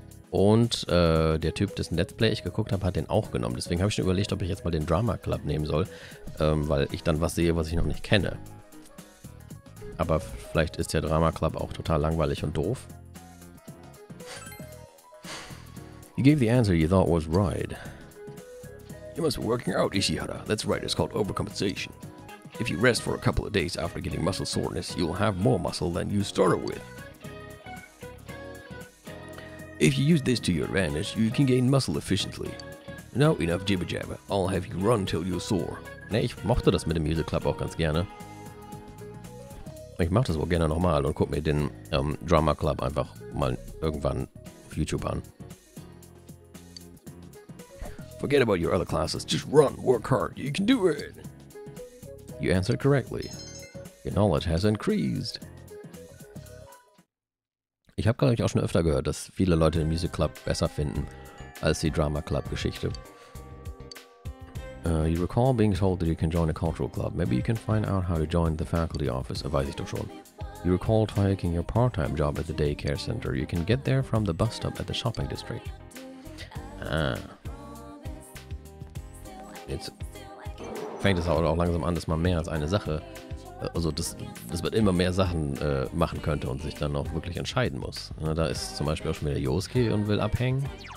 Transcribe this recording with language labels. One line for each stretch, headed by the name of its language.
German: Und der Typ, dessen Let's Play ich geguckt habe, hat den auch genommen. Deswegen habe ich schon überlegt, ob ich jetzt mal den Drama Club nehmen soll, weil ich dann was sehe, was ich noch nicht kenne. Aber vielleicht ist der Drama Club auch total langweilig und doof.
English: You gave the answer you thought was right. You must be working out, Ishihara. That's right, it's called overcompensation. If you rest for a couple of days after getting muscle soreness, you'll have more muscle than you started with. If you use this to your advantage, you can gain muscle efficiently. Now enough jibber-jabber. I'll have you run till you're sore.
German: Ne, ich mochte das mit dem Music Club auch ganz gerne. Ich mach das wohl gerne nochmal und guck mir den Drama Club einfach mal irgendwann auf YouTube an.
English: Forget about your other classes. Just run, work hard. You can do it. You answered correctly. Your knowledge has increased.
German: Ich habe, glaube ich, auch schon öfter gehört, dass viele Leute den Music Club besser finden als die Drama Club-Geschichte.
English: You recall being told that you can join a cultural club. Maybe you can find out how to join the faculty office.
German: Weiß ich doch schon.
English: You recall taking your part-time job at the daycare center. You can get there from the bus stop at the shopping district. Ah.
German: Jetzt fängt es auch langsam an, dass man mehr als eine Sache, also dass man immer mehr Sachen machen könnte und sich dann auch wirklich entscheiden muss. Da ist zum Beispiel auch schon wieder Yosuke und will abhängen.